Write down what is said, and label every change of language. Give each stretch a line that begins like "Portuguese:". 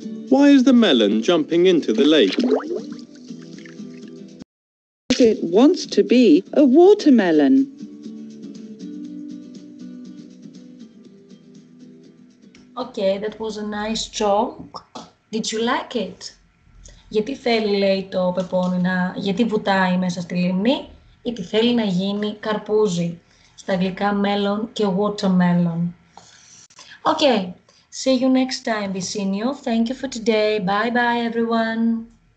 English: Why is the melon jumping into the lake? It wants to be a watermelon. Okay, that was a nice joke. Did you like it?
Greek: Γιατί θέλει, λέει το πεπόνι, να... γιατί βουτάει μέσα στη λίμνη, γιατί θέλει να γίνει καρπούζι. Στα αγγλικά melon και watermelon.
English: Okay. See you next time, Bisinio. Thank you for today. Bye-bye, everyone.